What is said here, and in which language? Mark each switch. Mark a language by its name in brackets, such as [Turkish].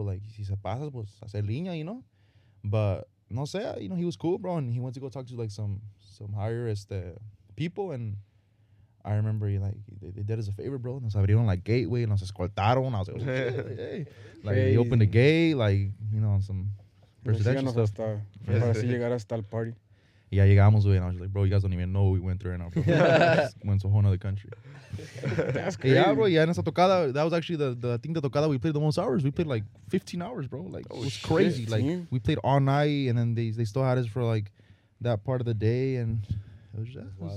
[English] Like, [Spanish] si se pasa, pues, hacer línea, [English] you know? But, [Spanish] no sé, [English] you know, he was cool, bro. And he went to go talk to, like, some higher people. And I remember, like, they did us a favor, bro. [Spanish] Nos abrieron, [English] like, gateway. [Spanish] Nos escoltaron. [English] I was like, okay, hey. Like, crazy. He opened the gate, like, you know, some presidential stuff. [Spanish] Para así llegar hasta el party. [English] Yeah, [Spanish] llegamos, güey. [English] And I was like, bro, you guys don't even know what we went through right now, bro. Just went to a whole other country. That's crazy. Yeah, bro. Yeah, [Spanish] en esa tocada, [English] that was actually the thing, the tocada we played the most hours. We played like 15 hours, bro. Like, oh, it was shit, crazy. Like, man, we played all night, and then they still had us for like that part of the day, and it was just wild.